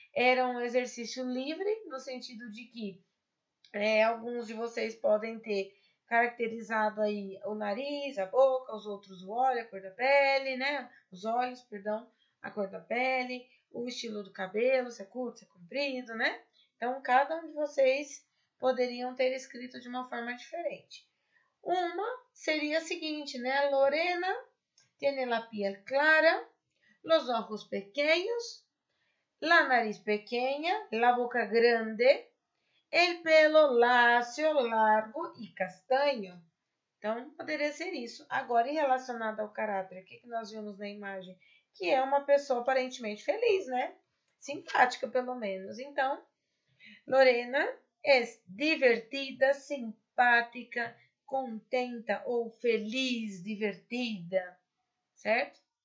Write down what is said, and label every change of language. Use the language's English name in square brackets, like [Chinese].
[Portuguese] Era um exercício livre, no sentido de que alguns de vocês podem ter caracterizado aí o nariz, a boca, os outros o olho, a cor da pele, né? Os olhos, perdão. A cor da pele, o estilo do cabelo, se é curto, se é comprido, né? Então, cada um de vocês poderiam ter escrito de uma forma diferente. Uma seria a seguinte, né? [Spanish] Lorena tiene la piel clara, los ojos pequeños, la nariz pequeña, la boca grande, el pelo lacio, largo e castaño. [Portuguese] Então, poderia ser isso. Agora, em relacionado ao caráter, o que que nós vimos na imagem? Que é uma pessoa aparentemente feliz, né? Simpática, pelo menos. Então, Lorena é divertida, simpática, contenta ou feliz, divertida, certo?